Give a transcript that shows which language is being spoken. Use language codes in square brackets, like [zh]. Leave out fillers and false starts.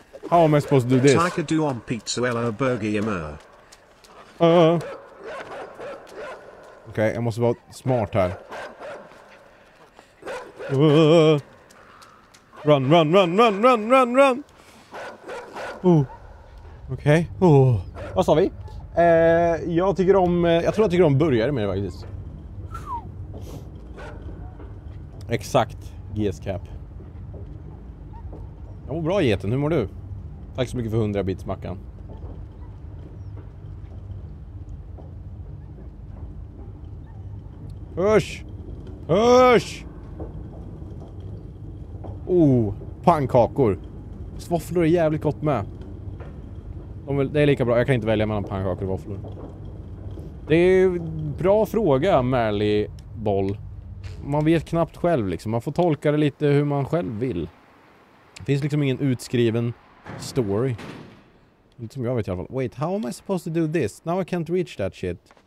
[en] How am I supposed to do this? I could do on pizza [sv] eller [en] burger emer. [sv] Okej, jag måste vara smart här. [en] Run, run, run, run, run, run, run! [sv] Okej. [en] Okay. [sv] Vad sa vi? Jag tror jag tycker om burgare mer faktiskt. Exakt, GS Cap. Jag mår bra, geten. Hur mår du? Tack så mycket för 100 bits mackan. Hörs! Hörs! Oh, pannkakor. Våfflor är jävligt gott med. Det är lika bra. Jag kan inte välja mellan pannkakor och våfflor. Det är bra fråga, Märly Boll. Man vet knappt själv liksom. Man får tolka det lite hur man själv vill. Det finns liksom ingen utskriven story. Inte som jag vet i alla fall. [en] Wait, how am I supposed to do this? Now I can't reach that shit.